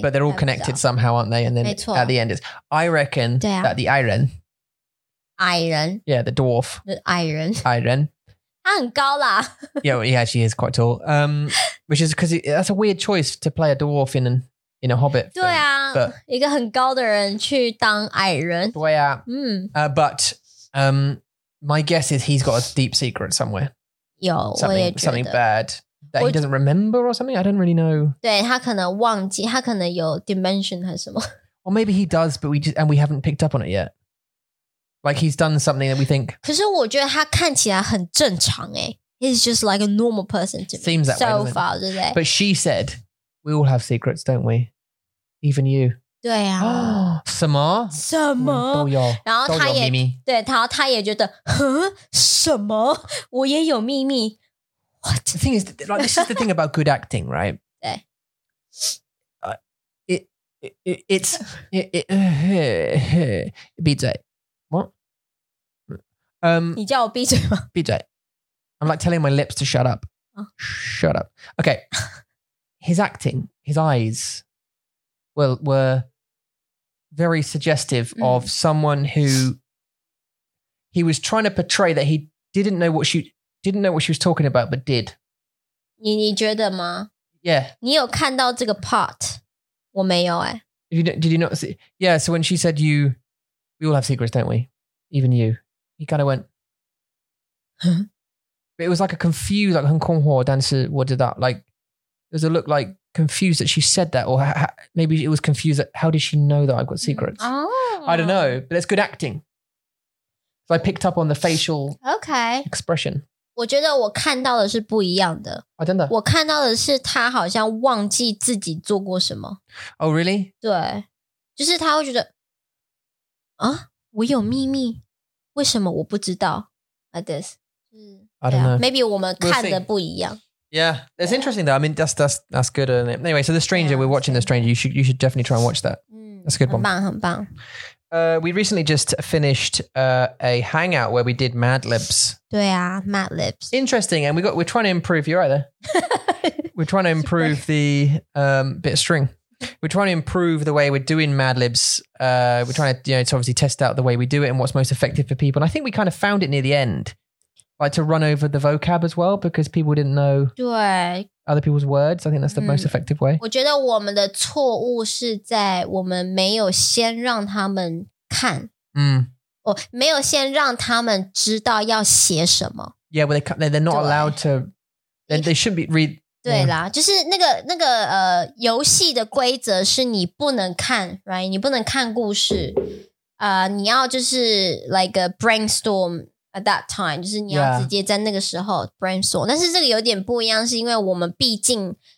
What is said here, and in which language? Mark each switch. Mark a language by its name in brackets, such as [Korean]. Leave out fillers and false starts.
[English] But they're all connected somehow, aren't they? And then at the end is, I reckon that the Iron. Iron. Yeah, the dwarf. The Iron. Iron. [Chinese] 他很高啦。 [English] Yeah, well, yeah, she is quite tall. Which is because that's a weird choice to play a dwarf in a hobbit. [Chinese] 对啊，一个很高的人去当矮人。对啊。 [English] But my guess is he's got a deep secret somewhere. [Chinese] 有，我也觉得。 [English] Something bad that he doesn't remember or something? I don't really know. [Chinese] 对，他可能忘记，他可能有 dimension 还是什么。 [English] Or maybe he does, but we haven't picked up on it yet. Like he's done something that we think. [Chinese] 可是我觉得他看起来很正常诶。 [English] He's just like a normal person to me. Seems that way, so far, doesn't it? But she said, we all have secrets, don't we? Even you. [Chinese] 对啊。什么？什么？都有。然后他也，对，然后他也觉得，什么？我也有秘密。What? [English] The thing is, like, this is the thing about good acting, right? [Chinese] 对。 [English] It's... [Chinese] 闭嘴。你叫我闭嘴吗？闭嘴。 [English] I'm like telling my lips to shut up.、Shut up. Okay. His acting, his eyes were very suggestive of someone who he was trying to portray that he didn't know what she was talking about, but did. [Chinese] 你觉得吗？ [English] Yeah. [Chinese] 你有看到这个 part? 我没有诶。 [English] Did you not see? Yeah, so when she said you, we all have secrets, don't we? Even you. He kind of went, huh? It was like a confused, like, [Chinese] 很困惑但是我知道 [English] like, it was a look like confused that she said that, or maybe it was confused that, how did she know that I've got secrets?、 Oh. I don't know, but it's good acting. So I picked up on the facial expression. [Chinese] 我觉得我看到的是不一样的。 [English] Oh, don't know. [Chinese] 我看到的是他好像忘记自己做过什么。 [English] Oh, really? [Chinese] 对。就是他会觉得,啊,我有秘密。为什么我不知道 [English] like this? I don't know. [Chinese] Maybe 我们看的不一样。 [English] Yeah, it's interesting though. I mean, that's good, isn't it? Anyway, so The Stranger, we're watching The Stranger. You should definitely try and watch that. That's a good one. [Chinese] 很棒，很棒。 [English] We recently just finished a hangout where we did Mad Libs. [Chinese] 对啊 ,Mad Libs. [English] Interesting, and we're trying to improve, you're right there. We're trying to improve the bit of string. We're trying to improve the way we're doing Mad Libs. We're trying to, you know, to obviously test out the way we do it and what's most effective for people. And I think we kind of found it near the end, like to run over the vocab as well, because people didn't know other people's words. I think that's the most effective way. [Chinese] 我觉得我们的错误是在我们没有先让他们看，没有先让他们知道要写什么。 [English] Yeah, well, they're not allowed to, they shouldn't be read... [Chinese] 对啦，就是那个游戏的规则是你不能看 ，right？你不能看故事，你要就是 [English] like a brainstorm at that time， [Chinese] 就是你要直接在那个时候 brainstorm。但是这个有点不一样，是因为我们毕竟